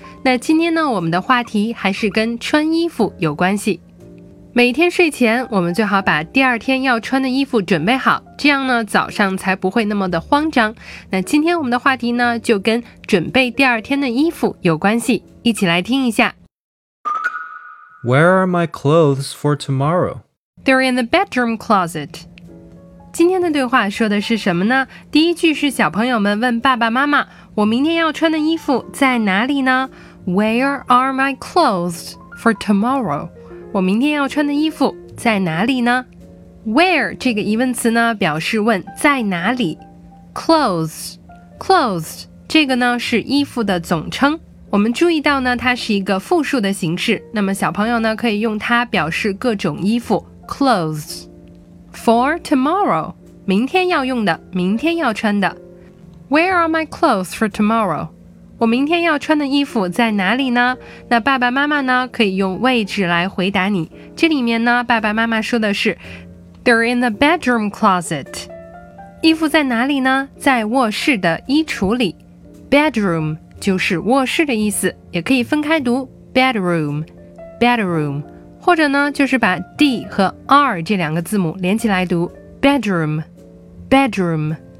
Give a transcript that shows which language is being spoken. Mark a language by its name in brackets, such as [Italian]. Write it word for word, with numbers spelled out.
[Chinese] 那今天呢，我们的话题还是跟穿衣服有关系。每天睡前我们最好把第二天要穿的衣服准备好，这样呢早上才不会那么的慌张。那今天我们的话题呢就跟准备第二天的衣服有关系，一起来听一下。 [English] Where are my clothes for tomorrow? They're in the bedroom closet. [Chinese] 今天的对话说的是什么呢？第一句是小朋友们问爸爸妈妈，我明天要穿的衣服在哪里呢？ [English] Where are my clothes for tomorrow? [Chinese] 我明天要穿的衣服在哪里呢？Where 这个疑问词呢表示问在哪里。 Clothes Clothes 这个呢是衣服的总称，我们注意到呢它是一个复数的形式，那么小朋友呢可以用它表示各种衣服 [English] Clothes For tomorrow, [Chinese] 明天要用的，明天要穿的。 Where are my clothes for tomorrow? 我明天要穿的衣服在哪里呢？那爸爸妈妈呢可以用位置来回答你。这里面呢爸爸妈妈说的是 [English] They're in the bedroom closet. [Chinese] 衣服在哪里呢？在卧室的衣橱里。 Bedroom 就是卧室的意思，也可以分开读 bedroom bedroom，或者呢就是把 D 和 R 这两个字母连起来读 bedroom bedroom。